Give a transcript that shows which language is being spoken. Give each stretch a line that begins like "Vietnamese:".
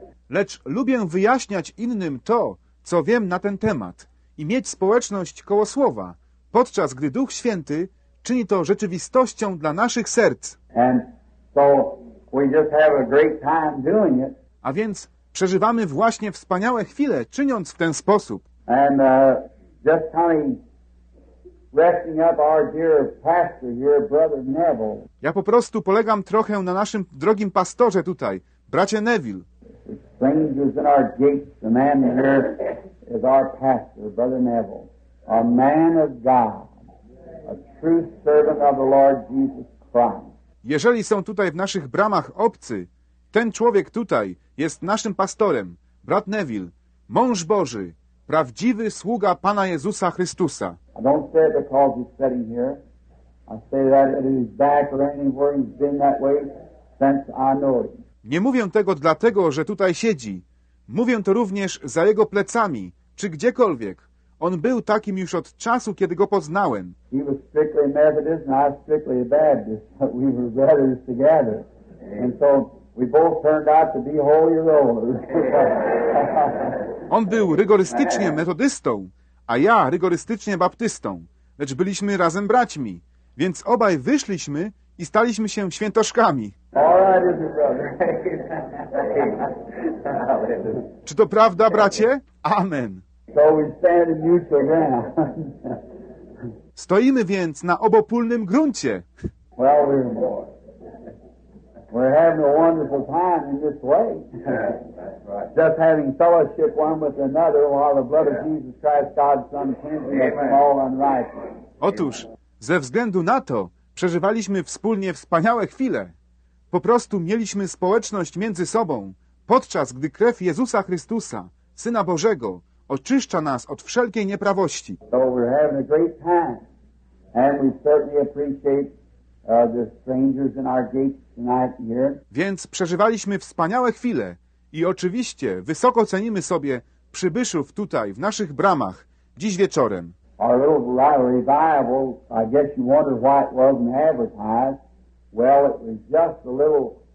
Polish: Lecz lubię wyjaśniać innym to, co wiem na ten temat i mieć społeczność koło słowa, podczas gdy Duch Święty czyni to rzeczywistością dla naszych serc.
English: And so we just have a great time doing it.
Polish: A więc przeżywamy właśnie wspaniałe chwile, czyniąc w ten sposób.
English: And just kind of resting up our dear pastor here, brother Neville.
Polish: Ja po prostu polegam trochę na naszym drogim pastorze tutaj, bracie Neville.
English: The strangers in our gates, the man here is our pastor, brother Neville. A man of God. A true servant of the Lord Jesus Christ.
Polish: Jeżeli są tutaj w naszych bramach obcy, ten człowiek tutaj jest naszym pastorem, brat Neville, mąż Boży, prawdziwy sługa Pana Jezusa Chrystusa.
English: I don't say it because he's sitting here. I say that at his back or anywhere he's been that way since I know him.
Polish: Nie mówię tego dlatego, że tutaj siedzi. Mówię to również za jego plecami, czy gdziekolwiek. On był takim już od czasu, kiedy go poznałem.
English: He was strictly Methodist and I was strictly Baptist, but we were brothers together. And so we both turned out to be holy rollers.
Polish: On był rygorystycznie metodystą, a ja rygorystycznie baptystą, lecz byliśmy razem braćmi, więc obaj wyszliśmy i staliśmy się świętoszkami.
English: All right, isn't it, brother?
Polish: Czy to prawda, bracie? Amen.
English: So we stand in neutral ground.
Polish: Stoimy więc na obopólnym gruncie.
English: Well, we're having a wonderful time in this way. Just having fellowship one with another while the blood of Jesus Christ, God's Son, cleanses us from all unrighteousness.
Polish: Otóż, ze względu na to, przeżywaliśmy wspólnie wspaniałe chwile. Po prostu mieliśmy społeczność między sobą, podczas gdy krew Jezusa Chrystusa, Syna Bożego, oczyszcza nas od wszelkiej nieprawości.
English: So we're having a great time. And we certainly appreciate the strangers in our gates tonight here.
Polish: Więc przeżywaliśmy wspaniałe chwile i oczywiście wysoko cenimy sobie przybyszów tutaj w naszych bramach dziś wieczorem.
English: Our little revival, I guess you wonder why it wasn't advertised. Well, it was just a little